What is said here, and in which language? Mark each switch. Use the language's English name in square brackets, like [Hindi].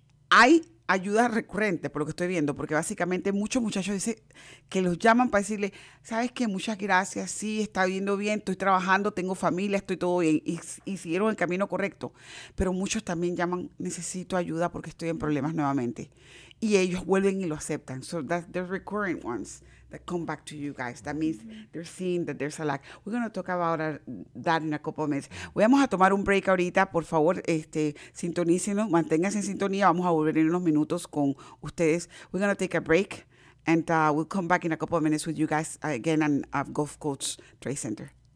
[Spanish] Hay ayuda recurrente, por lo que estoy viendo, porque básicamente muchos muchachos dicen que los llaman para decirle, ¿sabes qué? Muchas gracias, sí, está viviendo bien, estoy trabajando, tengo familia, estoy todo bien. Y siguieron el camino correcto. Pero muchos también llaman, necesito ayuda porque estoy en problemas nuevamente. Y ellos vuelven y lo aceptan. [English] So that's the recurrent ones that come back to you guys. That means they're seeing that there's a lack. We're going to talk about that in a couple of minutes. [Spanish] Vamos a tomar un break ahorita. Por favor, sintonícenos. Manténganse en sintonía. Vamos a volver en unos minutos con ustedes. [English] We're going to take a break. And we'll come back in a couple of minutes with you guys again at Gulf Coast Trade Center.